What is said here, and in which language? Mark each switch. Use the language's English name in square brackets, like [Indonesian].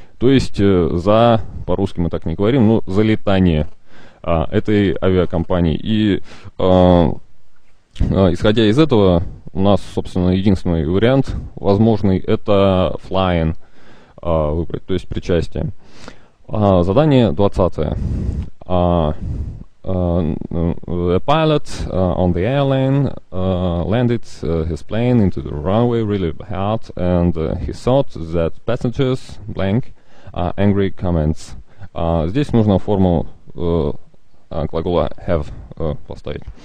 [Russian] То есть за, по-русски мы так не говорим, но за летание этой авиакомпании. И исходя из этого, у нас, собственно, единственный вариант возможный — это flying выбрать, то есть причастие. Задание 20. [English] A pilot on the airline landed his plane into the runway really hard, and he thought that passengers blank angry comments. [Russian] Здесь нужно форму глагола have поставить.